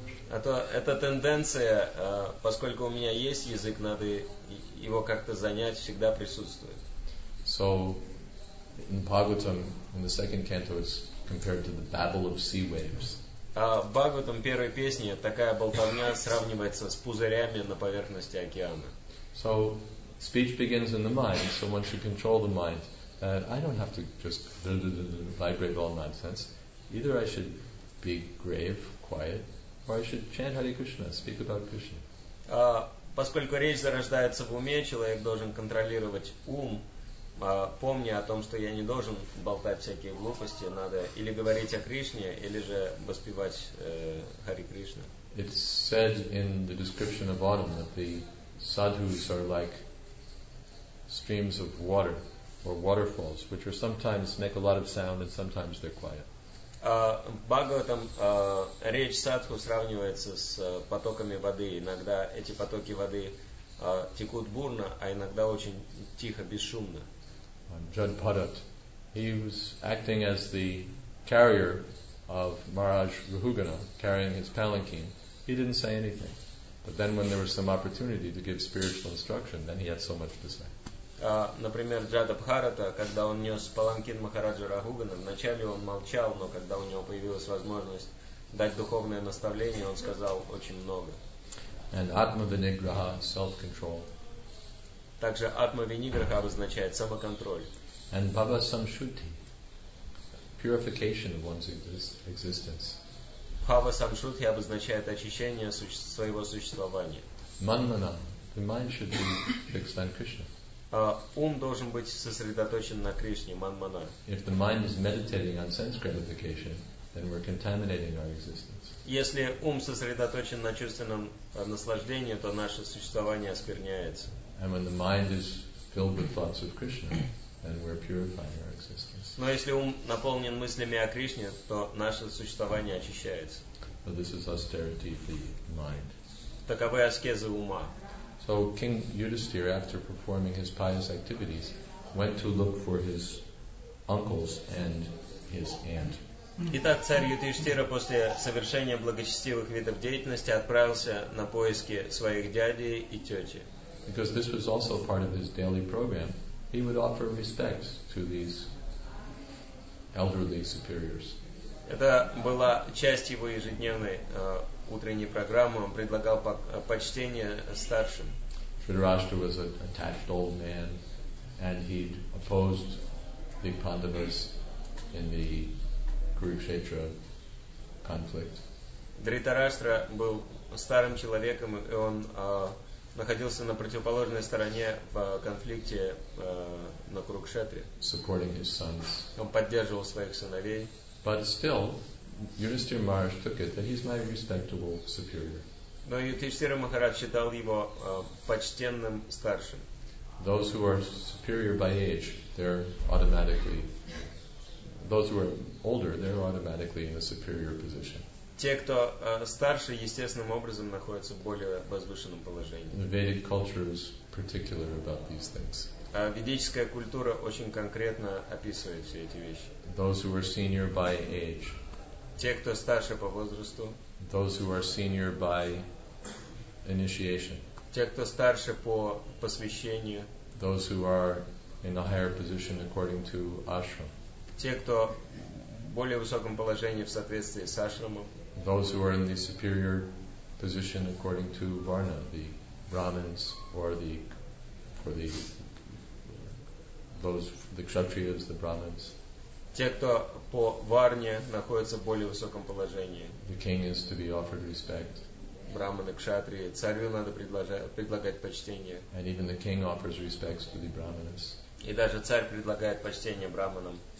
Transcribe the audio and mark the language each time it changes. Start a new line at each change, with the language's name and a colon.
Russian: Это тенденция, поскольку у меня есть язык, надо его как-то занять, всегда присутствует.
English: So, in Bhagavatam, in the second canto, it's compared to the babble of sea waves.
Russian: В Бхагаватам первой песне такая болтовня сравнивается с пузырями на поверхности океана.
English: So, speech begins in the mind, so one should control the mind. I don't have to just vibrate all nonsense. Either I should be grave, quiet, or I should chant Hare Krishna, speak about Krishna.
Russian: Поскольку речь зарождается в уме, человек должен контролировать ум, помня о том, что я не должен болтать всякие глупости, надо или говорить о Кришне, или же воспевать Hare Krishna.
English: It's said in the description of autumn that the sadhus are like streams of water or waterfalls, which are sometimes make a lot of sound and sometimes they're quiet.
Russian: Бхагаватам речь садху сравнивается с потоками воды. Иногда эти потоки воды текут бурно, а иногда очень тихо, бесшумно.
English: Jhud Bhadot, he was acting as the carrier of Maharaj Rahugana, carrying his palanquin. He didn't say anything. But then when there was some opportunity to give spiritual instruction, then he had so much to say.
Russian: Например, Джада Бхарата, когда он нес паланкин Махараджа Рахугана, вначале он молчал, но когда у него появилась возможность дать духовное наставление, он сказал очень много.
English: And Atma-vinigraha, self-control.
Russian: Также Атма-виниграха обозначает самоконтроль.
English: And Bhava-samshuti, purification of one's existence.
Russian: Bhava-samshuti обозначает очищение своего существования.
English: Manmana, the mind should be fixed on Krishna.
Russian: Ум должен быть сосредоточен на Кришне, манмана.
English: If the mind is meditating on sense gratification, then we're contaminating our existence.
Russian: Если ум сосредоточен на чувственном наслаждении, то наше существование оскверняется.
English: And when the mind is filled with thoughts of Krishna, then we're purifying our existence.
Russian: Но если ум наполнен мыслями о Кришне, то наше существование очищается.
English: But this is austerity of the mind.
Russian: Таковы аскезы ума.
English: So King Yudhisthira, after performing his pious activities, went to look for his uncles and his aunt.
Russian: Итак, царь Юдхиштхира после совершения благочестивых видов деятельности отправился на поиски своих дядей и тети.
English: Because this was also part of his daily program, he would offer respects to these elderly superiors.
Russian: Это была часть его ежедневной утренней программы. Он предлагал почтение старшим.
English: Dhritarashtra was an attached old man, and he opposed the Pandavas in the Kurukshetra conflict.
Russian: Dhritarashtra был старым человеком, и он находился на противоположной стороне в конфликте на Курукшетре.
English: Supporting his sons.
Russian: Он поддерживал своих сыновей.
English: But still, Yudhisthira Maharaj took it that he's my respectable superior.
Russian: Но Юдхиштхира Махарадж считал его почтенным старшим.
English: Those who are superior by age, they're automatically. Those who are older, they're automatically in a superior position.
Russian: Те, кто старше, естественным образом находятся в более возвышенном положении.
English: The Vedic culture is particular about these things.
Russian: Ведическая культура очень конкретно описывает все эти вещи.
English: Those who are senior by age.
Russian: Те, кто старше по возрасту.
English: Those who are senior by initiation.
Russian: Те, кто старше по посвящению.
English: Those who are in a higher position according to ashram.
Russian: Те, кто в более высоком положении в соответствии с ашрамом.
English: Those who are in the superior position according to varna, the brahmins or the for the those the kshatriyas, the brahmins.
Russian: Те, кто по варне находится в более высоком положении.
English: The king is to be offered respect.
Russian: Брахманы, кшатрии, царю надо предлагать почтение.
English: And even the king offers respects to the brahmanas.
Russian: И даже царь предлагает почтение брахманам.